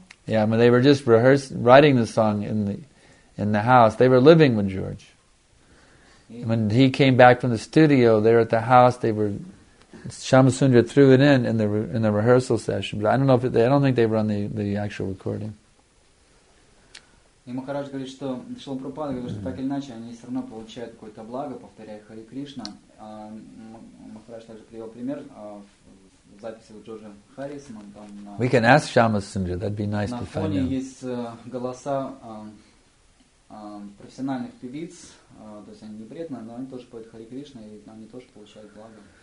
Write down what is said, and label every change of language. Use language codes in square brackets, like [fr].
[en] Yeah, I mean they were just rehearsing, writing the song in the house. They were living with George. When he came back from the studio, there at the house, they were Shamasundra threw it in the rehearsal session, but I don't think they run the actual recording. [ru] И Махарадж говорит, что Шрила Прабхупада говорит, что так или иначе они все равно получают какое-то благо, повторяя Хари Кришна. Махарадж также привел пример в записи Джорджа Харрисона. [en] We can ask Shamasundra, that'd be nice to find out. [ru] На фоне есть голоса профессиональных певиц, то есть они не вредны, но они тоже поют Хари Кришна, и они тоже получают благо.